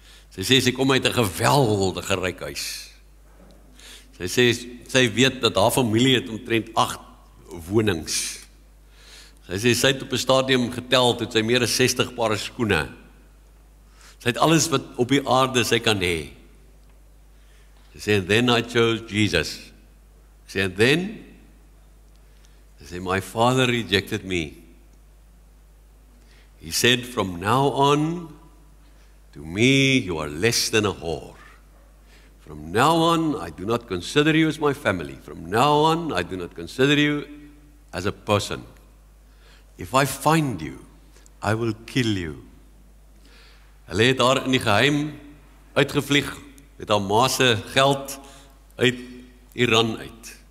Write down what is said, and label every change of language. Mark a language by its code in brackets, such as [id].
[af] Sy sê sy kom uit 'n geweldige ryk huis. Sy sê sy weet dat haar familie het omtrent 8 wonings. Sy sê sy het op 'n stadium getel tot sy meer as 60 pare skoene. Sy het alles wat op die aarde sy kan hê. Sy sê, [en] and then I chose Jesus. [af] Sy sê, [en] and then, [af] sy sê, [en] my father rejected me. He said, from now on, to me, you are less than a whore. From now on, I do not consider you as my family. From now on, I do not consider you as a person. If I find you, I will kill you. [af] Hulle het haar in die geheim uitgevlieg met haar ma se geld uit Iran uit.